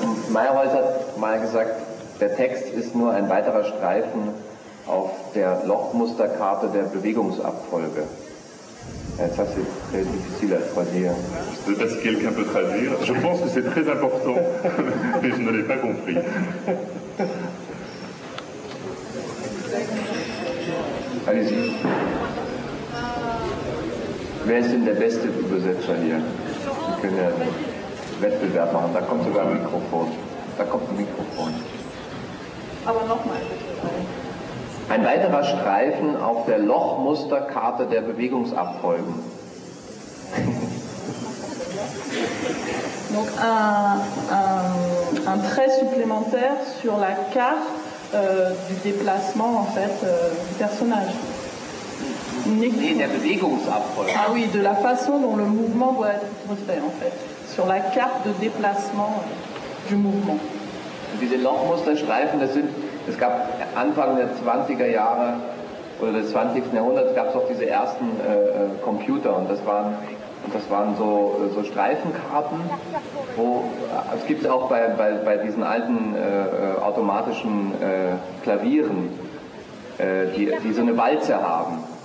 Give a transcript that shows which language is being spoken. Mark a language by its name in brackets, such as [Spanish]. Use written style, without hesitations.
[German] Meyerhold hat mal gesagt, der Text ist nur ein weiterer Streifen auf der Lochmusterkarte der Bewegungsabfolge. [French] Ça, c'est très difficile à traduire. Je ne sais pas si quelqu'un peut traduire. Je pense que c'est très important, mais je ne l'ai pas compris. Allez-y. [German] Wer ist denn der beste Übersetzer hier? Wir können ja einen Wettbewerb machen. Da kommt sogar ein Mikrofon. Da kommt ein Mikrofon. Aber nochmal. Ein weiterer Streifen auf der Lochmusterkarte der Bewegungsabfolgen. [French] Donc un trait supplémentaire sur la carte du déplacement en fait du personnage. [German] Nee, der Bewegungsabfolge. [French] Ah oui, de la façon dont le mouvement doit être fait en fait sur la carte de déplacement du mouvement. [German] Diese Lochmusterstreifen, das sind es gab Anfang der 20er Jahre oder des 20. Jahrhunderts gab es auch diese ersten Computer und das waren so Streifenkarten, wo es gibt auch bei diesen alten automatischen Klavieren, die so eine Walze haben.